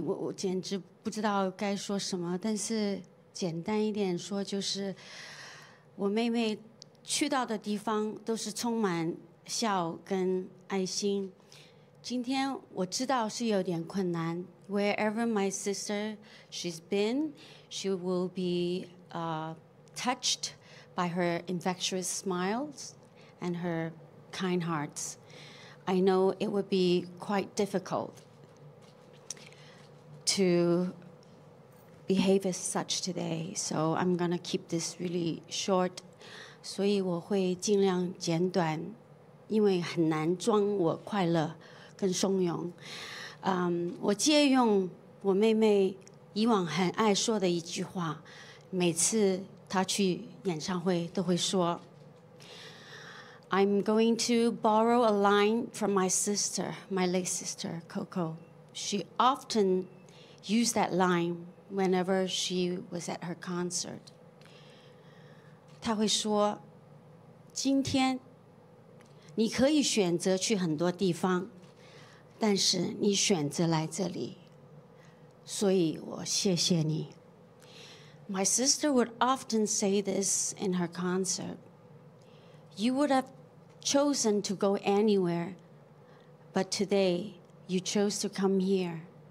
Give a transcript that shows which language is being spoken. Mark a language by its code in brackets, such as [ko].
[zh] 我简直不知道该说什么。但是简单一点说，就是我妹妹去到的地方都是充满笑跟爱心。今天我知道是有点困难。 [en] Wherever my sister she's been, she will be touched by her infectious smiles and her kind hearts. I know it would be quite difficult to behave as such today, so I'm going to keep this really short. [zh] 所以我会尽量简短，因为很难装我快乐跟松容。我借用我妹妹以往很爱说的一句话，每次她去演唱会都会说 [en] I'm going to borrow a line from my sister, my late sister Coco. She often used that line whenever she was at her concert. [zh] 她会说，今天你可以选择去很多地方，但是你选择来这里，所以我谢谢你。 [en] My sister would often say this in her concert. You would have chosen to go anywhere, but today you chose to come here.